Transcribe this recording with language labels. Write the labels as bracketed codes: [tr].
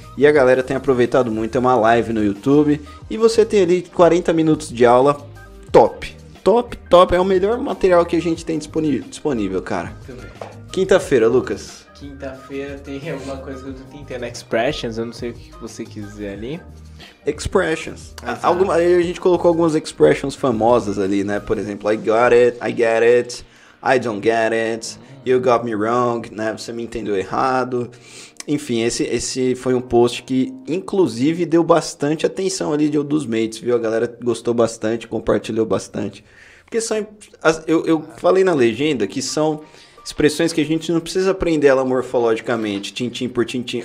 [pt] E a galera tem aproveitado muito, é uma live no YouTube. E você tem ali 40 minutos de aula, top. É o melhor material que a gente tem disponível, cara. Quinta-feira, Lucas. Quinta-feira tem alguma coisa que eu tô tentando, expressions, eu não sei o que você quis dizer ali. Expressions. A gente colocou algumas expressions famosas ali, né? Por exemplo, [en] I got it, I get it, I don't get it, you got me wrong, né? [pt] Você me entendeu errado. Enfim, esse foi um post que, inclusive, deu bastante atenção ali dos mates, viu? A galera gostou bastante, compartilhou bastante. Porque são... Eu falei na legenda que são expressões que a gente não precisa aprender ela morfologicamente, tintim por tintim.